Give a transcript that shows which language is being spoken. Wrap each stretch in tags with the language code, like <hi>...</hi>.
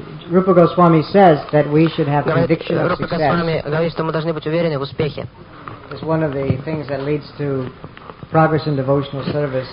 <en>Rupa Goswami says that we should have conviction of success.</en> <ru>Rupa Goswami говорит, что мы должны быть уверены в успехе.</ru> <en>It's one of the things that leads to progress in devotional service.</en>